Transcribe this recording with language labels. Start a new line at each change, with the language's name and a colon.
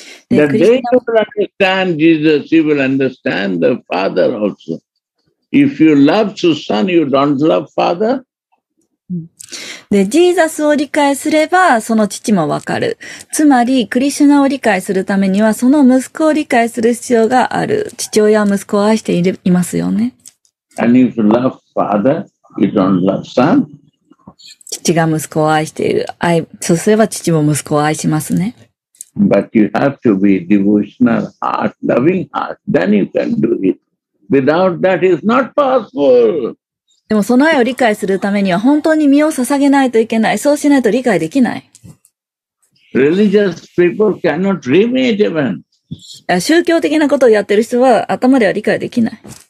English: The day you will understand Jesus, you will understand the father also. If you love the son, you don't love father.
Japanese: で、ジーザスを理解すればその父もわかる。つまり、クリシュナを理解するためにはその息子を理解する必要がある。父親は息子を愛していますよね。
English: And if you love father, you don't love son.
Japanese: 父が息子を愛している。愛、そうすれば父も息子を愛しますね。
English: But you have to be devotional heart, loving heart. Then you can do it. Without that is not possible.
Japanese: でもその愛を理解するためには本当に身を捧げないといけない。そうしないと理解できない。
English: Religious people cannot dream it even.
Japanese: 宗教的なことをやってる人は頭では理解できない。